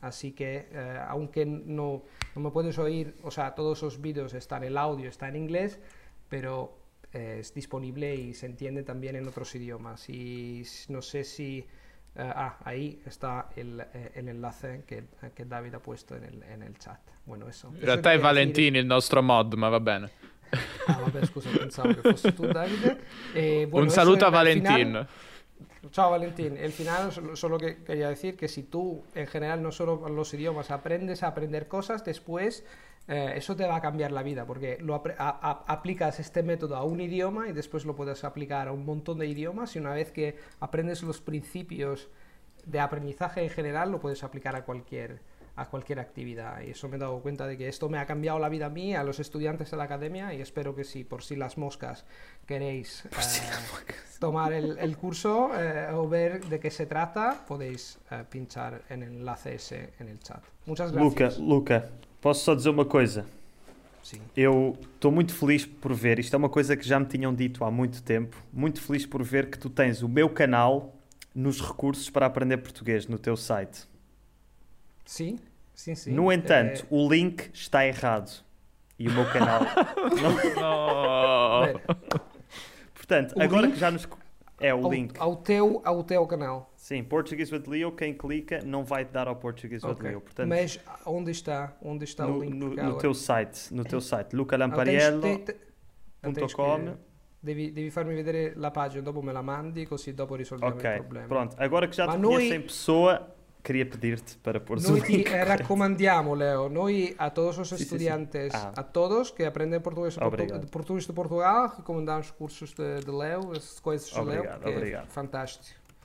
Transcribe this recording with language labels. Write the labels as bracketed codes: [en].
[es] Así que, aunque no me puedes oír, o sea, todos esos vídeos están, el audio está en inglés, pero es disponible y se entiende también en otros idiomas. Y no sé si... ahí está el enlace que David ha puesto en el chat. Bueno, eso. [it] In realtà è Valentini il nostro mod, ma va bene. Ah, vabbè, scusa, pensavo che fosse tu, Davide. Un saluto a Valentin. Ciao, Valentin. [es] Al final, solo que quería decir que si tú, en general, no solo los idiomas, aprendes a aprender cosas, después... eso te va a cambiar la vida, porque aplicas este método a un idioma y después lo puedes aplicar a un montón de idiomas, y una vez que aprendes los principios de aprendizaje en general, lo puedes aplicar a cualquier actividad. Y eso, me he dado cuenta de que esto me ha cambiado la vida a mí, a los estudiantes de la academia, y espero que sí, por si las moscas queréis tomar el curso o ver de qué se trata, podéis pinchar en el enlace ese en el chat. Muchas gracias. Luca. [pt] Posso só dizer uma coisa? Sim. Eu estou muito feliz por ver, isto é uma coisa que já me tinham dito há muito tempo, muito feliz por ver que tu tens o meu canal nos recursos para aprender português no teu site. Sim, sim, sim. No entanto, o link está errado. E o meu canal... Não. Portanto, o agora link? Que já nos... É o link. Ao teu canal. Sim, Português with Leo, quem clica não vai dar ao Português with Leo. Portanto, mas onde está? Onde está no, o link? No teu site, no teu site, lucalampariello.com. [it] Devi farmi vedere la pagina, dopo me la mandi, così dopo risolviamo il problema. [pt] Ok, pronto. Agora che già te conheço em pessoa, queria pedir-te para pôr o link. [it] Noi ti raccomandiamo, [pt] Leo, noi a todos os estudiantes, a todos que aprendem português de Portugal, recomendamos cursos de Leo, as coisas de Leo, que é fantástico.